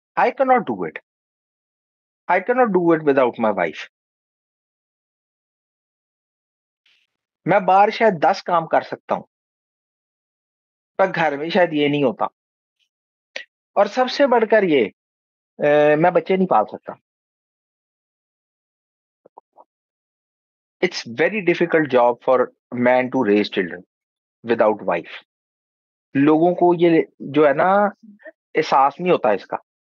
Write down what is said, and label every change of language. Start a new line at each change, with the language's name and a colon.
English: I can not do it without my wife.
Urdu: میں باہر شاید 10 کام کر سکتا ہوں پر گھر میں شاید یہ نہیں ہوتا. اور سب سے بڑھ کر یہ میں بچے نہیں پال سکتا.
English: It's very difficult job for man to raise children without wife.
Urdu: لوگوں کو یہ جو ہے نا احساس نہیں ہوتا اس کا.